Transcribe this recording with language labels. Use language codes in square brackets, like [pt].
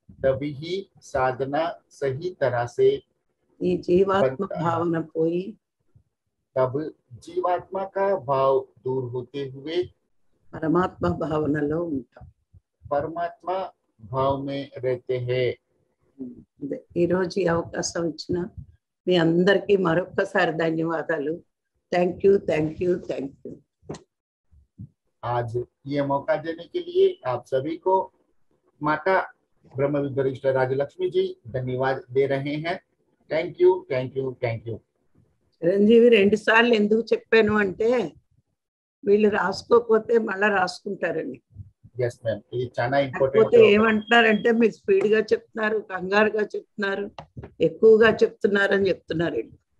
[hi] तभी ही साधना सही तरह से [te] ఈ జీవాత్మ భావన పోయి [hi] तब जीवात्मा का भाव दूर होते हुए [te] పరమాత్మ భావనలో ఉంటాం, [hi] परमात्मा भाव में रहते हैं। [te] ఈ రోజు అవకాశం ఇచ్చిన మీ అందరికి మరొకసారి ధన్యవాదాలు, థాంక్యూ థాంక్యూ థాంక్యూ। [hi] आज ये मौका देने के लिए आप सभी को माता ब्रह्म विद्वरिष्ठ राजलक्ष्मी जी धन्यवाद दे रहे हैं। [en] Thank you thank you thank you. [te] Chiranjeevi రెండు సార్లు ఎందుకు చెప్పాను అంటే వీళ్ళు రాసుకోకపోతే మళ్ళా రాసుకుంటారని, [en] Yes, ma'am. [te] ఇది చాలా ఇంపార్టెంట్. అంటే ఏమంటారంటే మీరు స్పీడ్ గా చెప్తున్నారు, కంగారు గా చెప్తున్నారు, ఎక్కువగా చెప్తున్నారు అని చెప్తున్నారండి.